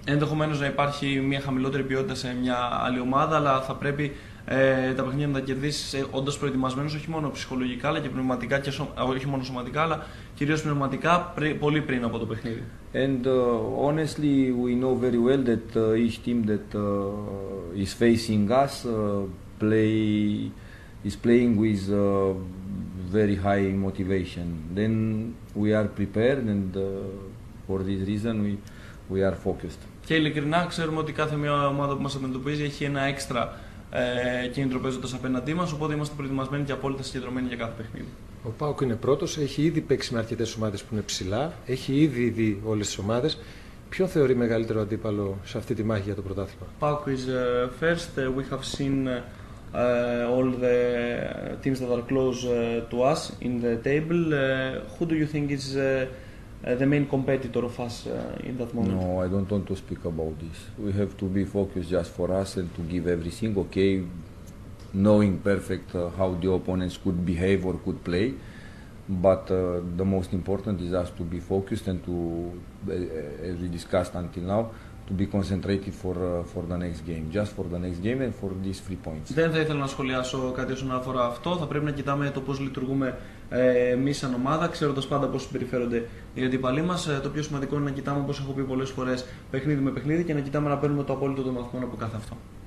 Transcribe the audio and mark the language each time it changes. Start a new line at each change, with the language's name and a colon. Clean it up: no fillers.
Greek: Ενδεχομένως να υπάρχει μια χαμηλότερη ποιότητα σε μια άλλη ομάδα, αλλά θα πρέπει τα παιχνίδια να τα κερδίσεις όντως προετοιμασμένος, όχι μόνο ψυχολογικά αλλά και πνευματικά, και όχι μόνο σωματικά αλλά κυρίως πνευματικά, πολύ πριν από το παιχνίδι.
English: And honestly, we know very well that each team that is facing us is playing with very high motivation. Then we are prepared, and for this reason we are focused.
Greek: Και ειλικρινά ξέρουμε ότι κάθε μια ομάδα που μας αντιμετωπίζει έχει ένα έξτρα κίνητρο παίζοντας απέναντί μας, οπότε είμαστε προετοιμασμένοι και απόλυτα συγκεντρωμένοι για κάθε παιχνίδι. Ο ΠΑΟΚ είναι πρώτος, έχει ήδη παίξει με αρκετές ομάδες που είναι ψηλά, έχει ήδη δει όλες τις ομάδες. Ποιο θεωρεί μεγαλύτερο αντίπαλο σε αυτή τη μάχη για το πρωτάθλημα?
English: ΠΑΟΚ is first. We have seen all the teams that are close to us in the table. Who do you think is the main competitor of us in that moment? No, I don't want to speak about this. We have to be focused just for us and to give everything, okay, knowing perfect how the opponents could behave or could play. But the most important is us to be focused and to, as we discussed until now, to be concentrated for the next game, just for the next game and for these three points.
Greek: Δεν θα ήθελα να σχολιάσω κάτι όσον αφορά αυτό. Θα πρέπει να κοιτάμε το πώς λειτουργούμε εμείς σαν ομάδα, ξέροντας πάντα πώς συμπεριφέρονται οι αντιπαλοί μας. Το πιο σημαντικό είναι να κοιτάμε, όπως έχω πει πολλές φορές, παιχνίδι με παιχνίδι και να κοιτάμε να παίρνουμε το απόλυτο των βαθμών από κάθε αυτό.